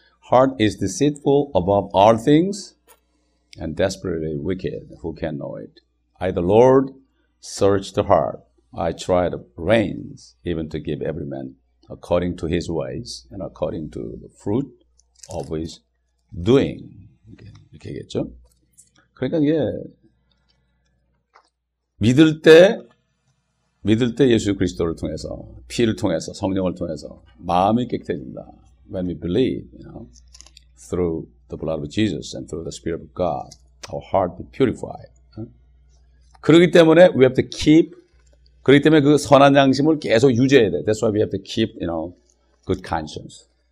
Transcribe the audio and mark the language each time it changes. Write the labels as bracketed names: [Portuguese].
[English] heart is deceitful above all things and desperately wicked. Who can know it? I, the Lord, search the heart. I try the reins, even to give every man according to his ways and according to the fruit of his doing. [Korean] 이렇게 얘기했죠. 그러니까 이게 믿을 때 예수 그리스도를 통해서 피를 통해서 성령을 통해서 마음이 깨끗해진다. [English] When we believe, you know, through the blood of Jesus and through the Spirit of God, our heart be purified. [Korean] 그렇기 때문에 [English] we have to keep. [Korean] 그렇기 때문에 그 선한 양심을 계속 유지해야 돼. [English] That's why we have to keep, you know, good conscience.